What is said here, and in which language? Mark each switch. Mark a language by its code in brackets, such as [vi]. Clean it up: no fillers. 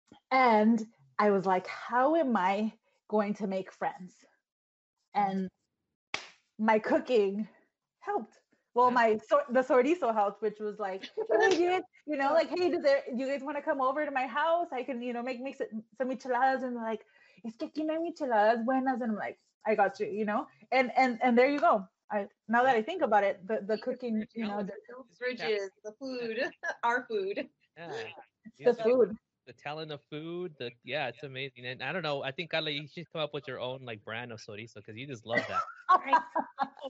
[en] And I was like, how am I going to make friends? And my cooking helped. Well, the sorbito helped, which was like, legit, you know, like, hey, do you guys want to come over to my house? I can, you know, make some micheladas. And like, [es] es que aquí no hay micheladas buenas. [en] And I'm like, I got you, you know? And there you go. Now that I think about it, the cooking, you know, the food, our food. Yeah. The food. The talent of food. It's amazing. And I don't know. I think, Carla, you should come up with your own, like, brand of sorbito, because you just love that.